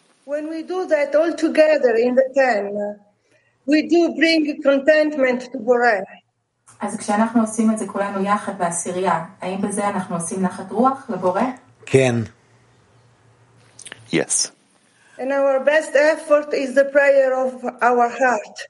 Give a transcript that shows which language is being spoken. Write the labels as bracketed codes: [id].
[en] When we do that all together in the ten, we do bring contentment to Bore. [he] אז כשאנחנו עושים את זה כולנו יחד בעשירייה, האם בזה אנחנו עושים נחת רוח לבורא? כן. [en] Yes. And our best effort is the prayer of our heart.